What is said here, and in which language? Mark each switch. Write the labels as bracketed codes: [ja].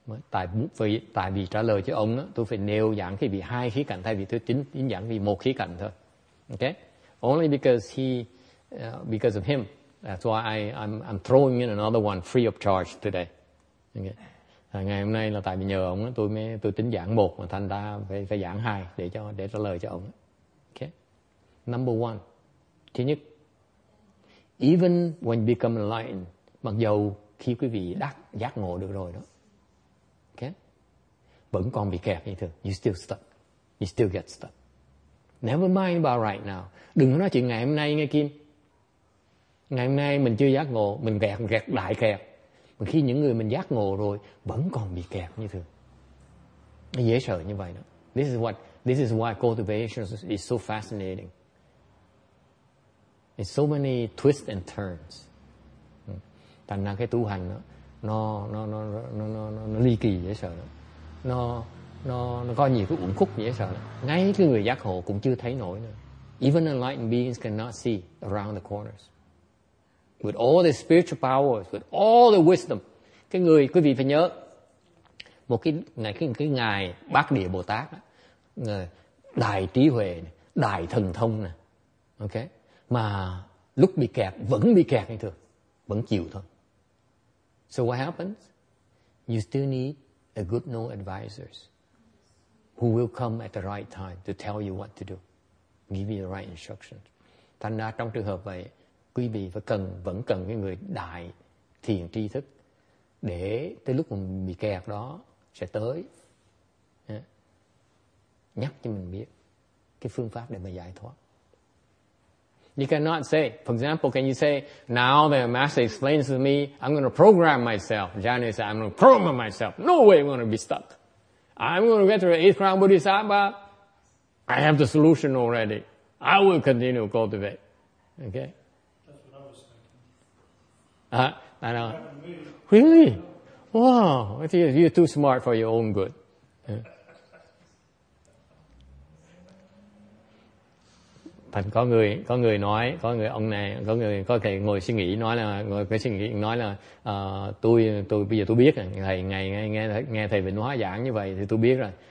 [vi] Tại vì trả lời cho ông, tôi phải nêu giảng cái vị hai khía cạnh thay vì tôi chính giảng vì một khía cạnh thôi. [en] Okay? Only because because of him, that's why I'm throwing in another one free of charge today. Okay. [vi] Ngày hôm nay là tại vì nhờ ông, tôi tính giảng một mà thành ra phải giảng hai để trả lời cho ông. [en] Okay. Number one, [vi] thứ nhất, [en] even when you become enlightened, [vi] Mặc dù khi quý vị đắc giác ngộ được rồi đó, okay, vẫn còn bị kẹt như thường. [en] You still stuck. You still get stuck. Never mind about right now. [vi] Đừng nói chuyện ngày hôm nay nghe Kim. Ngày hôm nay mình chưa giác ngộ, mình kẹt, kẹt đại kẹt. Mà khi những người mình giác ngộ rồi vẫn còn bị kẹt như thường, nó dễ sợ như vậy đó. [en] This is why cultivation is so fascinating. It's so many twists and turns. [vi] Thành ra cái tu hành đó, nó ly kỳ dễ sợ đó. Nó có nhiều cái uẩn khúc dễ sợ đó. Ngay cái người giác ngộ cũng chưa thấy nổi nữa. [en] Even enlightened beings cannot see around the corners. With all the spiritual powers, with all the wisdom. [vi] Cái người, quý vị phải nhớ, một cái ngài Bát Địa Bồ Tát đó, đại trí huệ, đại thần thông nè, ok, mà lúc bị kẹt vẫn bị kẹt như thường, vẫn chịu thôi. [en] So what happens? You still need a good known advisors who will come at the right time to tell you what to do, give you the right instructions. [vi] Thành ra trong trường hợp vậy, quý vị vẫn cần cái người đại thiền tri thức để tới lúc mình bị kẹt đó sẽ tới nhắc cho mình biết cái phương pháp để mà giải thoát. [en] You cannot say, for example, can you say, now the master explains to me, I'm going to program myself. Janice said, I'm going to program myself. No way I'm going to be stuck. I'm going to get to the eighth crown Bodhisattva. I have the solution already. I will continue to cultivate. Okay? I know. Really? Wow. You're too smart for your own good. [vi] Thành có người nói, có người ông này, có người có thể ngồi suy nghĩ nói là, ngồi cái suy nghĩ nói là tôi bây giờ tôi biết rồi, thầy nghe thầy Vịnh Hóa giảng như vậy thì tôi biết rồi.